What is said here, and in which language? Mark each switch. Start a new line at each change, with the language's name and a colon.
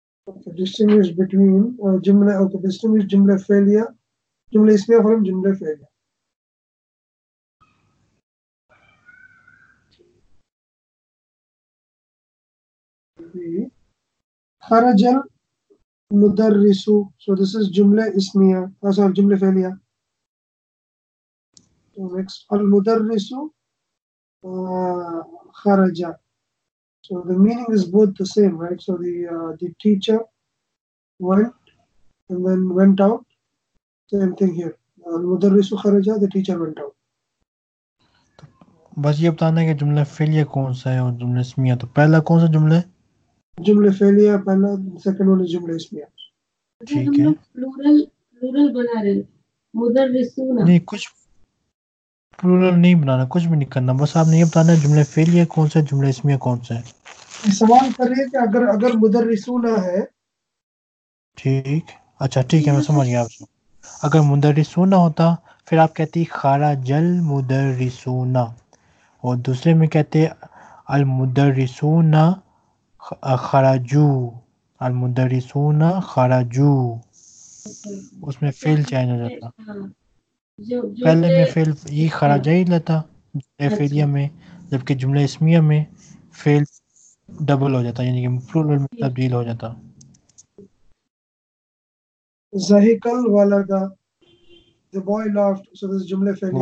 English: Okay, distinguish between جملة, okay, distinguish جملة فعلية, جملة اسمية فرم جملة فعلية.
Arabic: خرج المدرس,
English: so this is جملة اسمية, sorry جملة فعلية.
Arabic: المدرس خرج,
English: so the meaning is both the same, right? So the teacher went and then went out. Same thing here.
Arabic: Al-mudarrisu kharaja,
English: the teacher went out.
Urdu: بس یہ بتانا ہے کہ جملہ فعلیہ کون سا ہے اور جملہ اسمیہ. تو پہلا کون سا جملہ ہے؟ جملہ فعلیہ پہلا,
English: second one
Urdu: جملہ اسمیہ. ٹھیک ہے, پلورل بنا رہے مدرسونا. نہیں, کچھ پلورل نہیں بنانا, کچھ بھی نہیں کرنا. بس آپ نے یہ بتانا ہے جملہ فعلیہ کون سا ہے, جملہ اسمیہ کون سا ہے. سوال کر رہے ہیں کہ اگر مدرسونا ہے. ٹھیک, اچھا ٹھیک ہے, میں سمجھ گیا. آپ اگر مدرسونا ہوتا پھر آپ کہتی
Arabic: خارا جل مدرسونا,
Urdu: اور دوسرے میں کہتے ہیں
Arabic: المدرسون خرجو, المدرسون خرجو,
Urdu: اس میں فیل چینج ہو جاتا. پہلے میں فیل یہ خرج ہی لیتا فیلیا میں, جبکہ جملہ اسمیہ میں فیل ڈبل ہو جاتا, یعنی کہ پلورل میں تبدیل ہو جاتا.
Arabic: زہیکل ولدا,
English: the boy laughed, so this جملے فیلیا